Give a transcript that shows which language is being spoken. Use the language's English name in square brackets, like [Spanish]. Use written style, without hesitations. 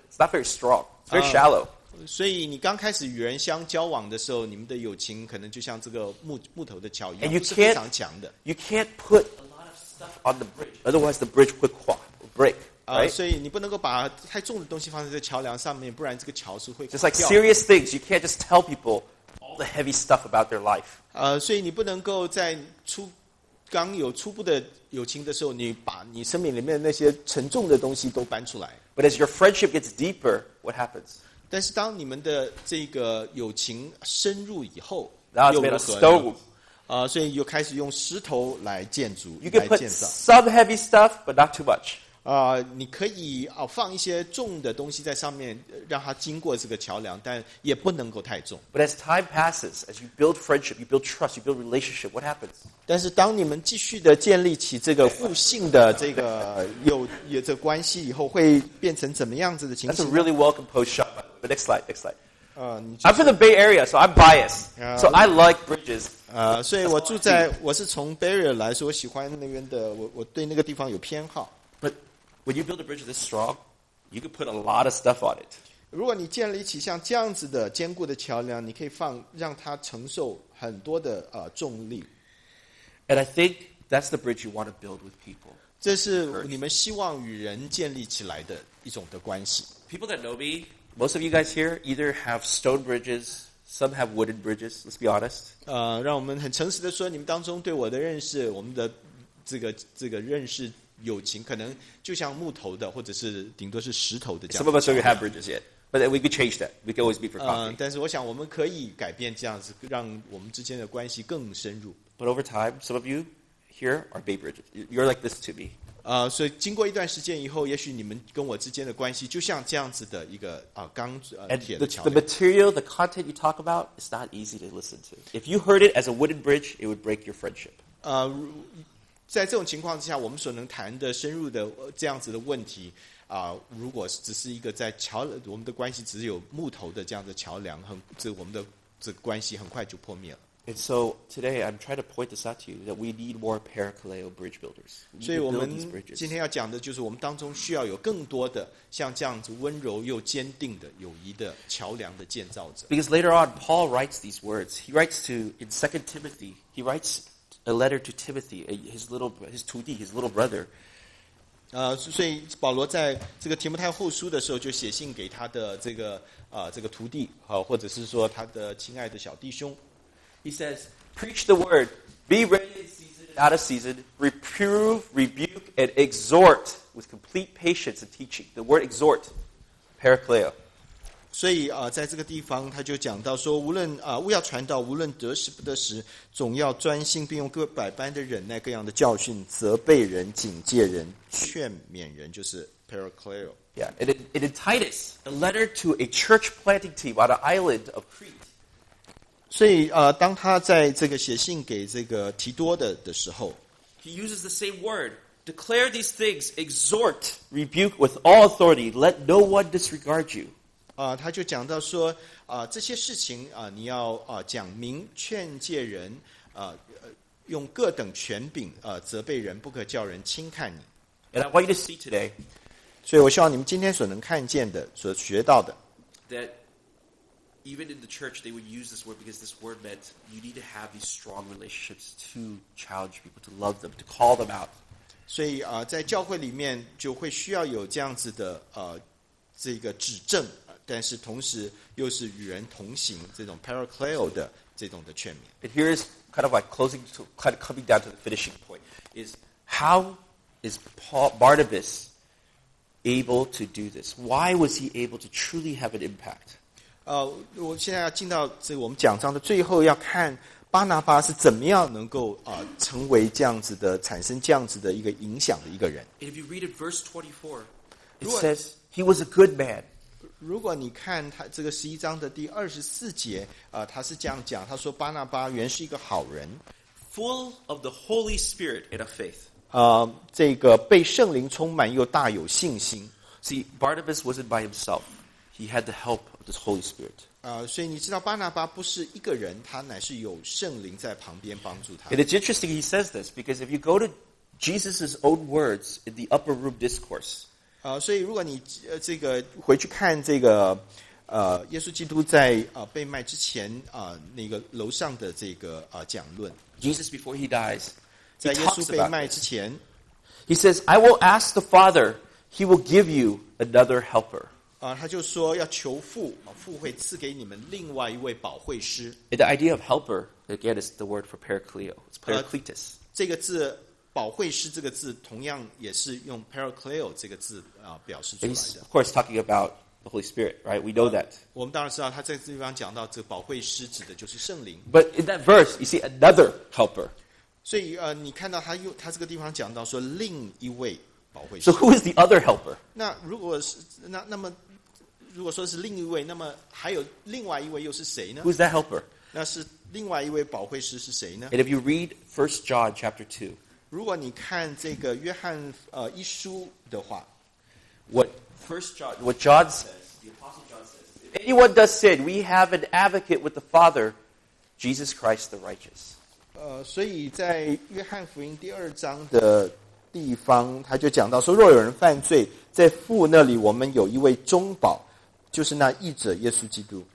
[English] It's not very strong. It's very shallow. [Chinese] 所以你刚开始与人相交往的时候，你们的友情可能就像这个木头的桥一样，不是非常强的。 [English] You can't put. On the bridge, otherwise the bridge would [Chinese] 垮, [English] break. Right? [Chinese] 所以你不能够把太重的东西放在这桥梁上面，不然这个桥是会垮掉。 [English] Just like serious things, you can't just tell people all the heavy stuff about their life. [Chinese] 所以你不能够在刚有初步的友情的时候，你把你生命里面那些沉重的东西都搬出来。 [English] But as your friendship gets deeper, what happens? [Chinese] 但是当你们的这个友情深入以后，又如何呢？所以又开始用石头来建筑。 [English] You can put some heavy stuff, but not too much. [Chinese] 你可以放一些重的东西在上面，让它经过这个桥梁，但也不能够太重。 [English] But as time passes, as you build friendship, you build trust, you build relationship, what happens? [Chinese] 但是当你们继续的建立起这个互信的这个有这关系以后，会变成怎么样子的情形？ [English] That's a really well composed shot. The next slide. I'm from the Bay Area, so I'm biased. So I like bridges. [Chinese] 所以我住在我是从 Bay Area 来，所以我喜欢那边的，我对那个地方有偏好。 [English] But when you build a bridge this strong, you could put a lot of stuff on it. [Chinese] 如果你建立起像这样子的坚固的桥梁，你可以放让它承受很多的重力。 [English] And I think that's the bridge you want to build with people. [Chinese] 这是你们希望与人建立起来的一种的关系。 [English] People that know me. Most of you guys here either have stone bridges, some have wooden bridges, let's be honest. [Chinese] 让我们很诚实的说，你们当中对我的认识，我们的这个认识友情，可能就像木头的，或者是顶多是石头的这样。 [English] Some of us don't even have bridges yet, but we could change that. We could always be for coffee. [Chinese] 但是我想我们可以改变这样子，让我们之间的关系更深入。 [English] But over time, some of you here are bay bridges. You're like this to me. [Chinese] 所以经过一段时间以后，也许你们跟我之间的关系就像这样子的一个钢铁的桥梁。 [English] The material, the content you talk about is not easy to listen to. If you heard it as a wooden bridge, it would break your friendship. [Chinese] 在这种情况之下，我们所能谈的深入的这样子的问题如果只是一个在桥，我们的关系只有木头的这样的桥梁，我们的这个关系很快就破灭了。 [English] And so today I'm trying to point this out to you that we need more Parakaleo bridge builders. [Chinese] 所以我们今天要讲的就是我们当中需要有更多的像这样子温柔又坚定的友谊的桥梁的建造者。 [English] Because later on Paul writes these words. He writes to in 2 Timothy. He writes a letter to Timothy, his little brother. [Chinese] 所以保罗在这个提摩太后书的时候就写信给他的这个徒弟，或者是说他的亲爱的小弟兄。 [English] He says, preach the word, be ready in season and out of season, reprove, rebuke, and exhort with complete patience and teaching. The word exhort, parakaleo. [Chinese] 所以在这个地方他就讲到说无论勿要传道，无论得时不得时，总要专心并用各百般的忍耐各样的教训，责备人，警戒人，劝勉人，就是 parakaleo. [English] Yeah, and in Titus, a letter to a church planting team on an island of Crete. [Chinese] 所以当他在这个写信给这个提多的时候 [English] He uses the same word. Declare these things, exhort, rebuke with all authority. Let no one disregard you. [Chinese] 他就讲到说这些事情你要讲明劝诫人用各等权柄责备人，不可叫人轻看你。 [English] And I want you to see today. [Chinese] 所以我希望你们今天所能看见的，所学到的 [English] Even in the church, they would use this word because this word meant you need to have these strong relationships to challenge people, to love them, to call them out. [Chinese] 所以在教会里面就会需要有这样子的这个指正，但是同时又是与人同行这种 parakaleo 的这种的劝勉。 [English] And here is kind of like closing, to, kind of coming down to the finishing point is how is Barnabas able to do this? Why was he able to truly have an impact? [Chinese] 我现在要进到这个我们讲章的最后，要看巴拿巴是怎么样能够成为这样子的，产生这样子的一个影响的一个人。 [English] If you read it, verse 24, it says he was a good man. [Chinese] 如果你看他这个十一章的第二十四节，他是这样讲，他说巴拿巴原是一个好人 [English] ，full of the Holy Spirit and of faith. [Chinese] 这个被圣灵充满又大有信心。 [English] See, Barnabas wasn't by himself. He had the help. This Holy Spirit. [Chinese] 所以你知道巴拿巴不是一个人，他乃是有圣灵在旁边帮助他。 [English] And it's interesting he says this because if you go to Jesus' own words in the upper room discourse. [Chinese] 所以如果你这个回去看这个耶稣基督在被卖之前那个楼上的这个讲论。 [English] Jesus before he dies, [Chinese] 在耶稣被卖之前 [English] ，He says, "I will ask the Father; He will give you another Helper." [Chinese] 他就说要求父，父会赐给你们另外一位保惠师。 [English] The idea of helper again is the word for parakaleo. It's parakletos. [Chinese] 这个字保惠师这个字同样也是用 parakaleo 这个字表示出来的。 [English] He's, of course, talking about the Holy Spirit, right? We know that. [Chinese] 我们当然知道他在这地方讲到这个保惠师指的就是圣灵。 [English] But in that verse, you see another helper. [Chinese] 所以你看到他这个地方讲到说另一位。 [English] So who is the other helper? [Chinese] 那如果是那么如果说是另一位，那么还有另外一位又是谁呢？ [English] Who's that helper? [Chinese] 那是另外一位保惠师是谁呢？ [English] And if you read 1 John chapter 2, [Chinese] 如果你看这个约翰一书的话， [English] what John says, the Apostle John says, is anyone does sin, we have an advocate with the Father, Jesus Christ the righteous. [Chinese] 所以在约翰福音第二章的地方，他就讲到说，若有人犯罪，在父那里我们有一位中保，就是那义者耶稣基督。